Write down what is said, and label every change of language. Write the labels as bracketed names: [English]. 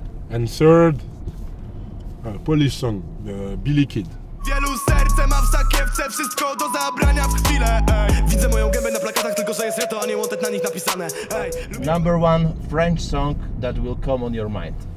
[English] And third, Polish song, Billy Kid. [Polish] Wielu serce ma w sakiewce, wszystko do zabrania w chwilę. Widzę moją gębę na plakatach, tylko że jest reto, a nie wanted na nich napisane. [English] Number one French song that will come on your mind.